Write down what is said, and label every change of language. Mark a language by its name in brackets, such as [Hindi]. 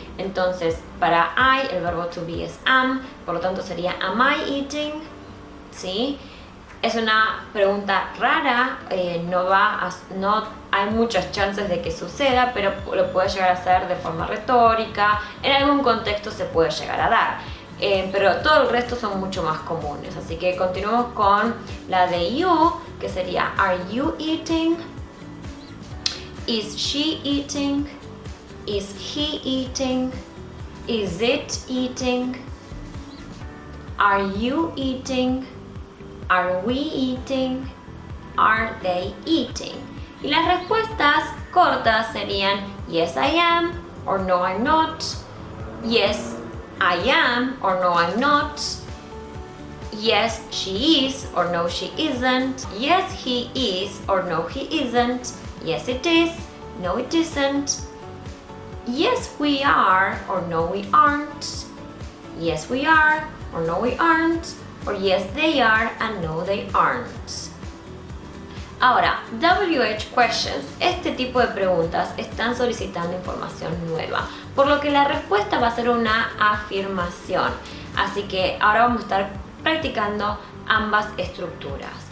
[Spanish] Entonces, para I, el verbo to be es am, por lo tanto sería [English] am I eating, [Spanish] ¿sí? Es una pregunta rara, hay muchas chances de que suceda, pero lo puede llegar a hacer de forma retórica, en algún contexto se puede llegar a dar. Pero todo el resto son mucho más comunes, así que continuamos con la de [English] you, [Spanish] que sería [English] are you eating, is she eating, is he eating, is it eating, are you eating, are we eating, are they eating. [Spanish] Y las respuestas cortas serían [English] yes I am, or no I'm not, yes I am or no I'm not, yes she is or no she isn't, yes he is or no he isn't, yes it is, no it isn't, yes we are or no we aren't, yes we are or no we aren't, or yes they are and no they aren't. [Spanish] Ahora, WH questions, este tipo de preguntas están solicitando información nueva, por lo que la respuesta va a ser una afirmación. Así que ahora vamos a estar practicando ambas estructuras.